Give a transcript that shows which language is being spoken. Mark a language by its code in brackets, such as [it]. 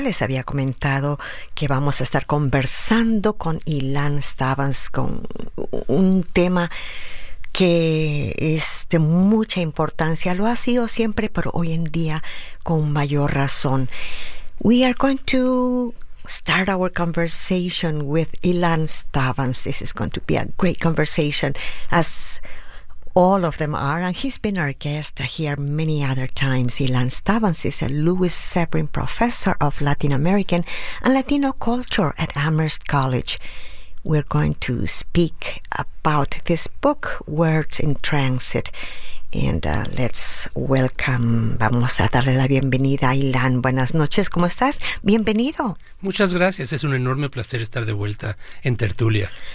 [es] Les había comentado que vamos a estar conversando con Ilan Stavans con un tema que es de mucha importancia. Lo ha sido siempre, pero hoy en día con mayor razón. [en] We are going to start our conversation with Ilan Stavans. This is going to be a great conversation, as all of them are, and he's been our guest here many other times. Ilan Stavans is a Louis Severin Professor of Latin American and Latino Culture at Amherst College. We're going to speak about this book, Words in Transit, and let's welcome, [es] vamos a darle la bienvenida a Ilan. Buenas noches, ¿cómo estás? Bienvenido. Muchas gracias, es un enorme placer estar de vuelta en Tertulia.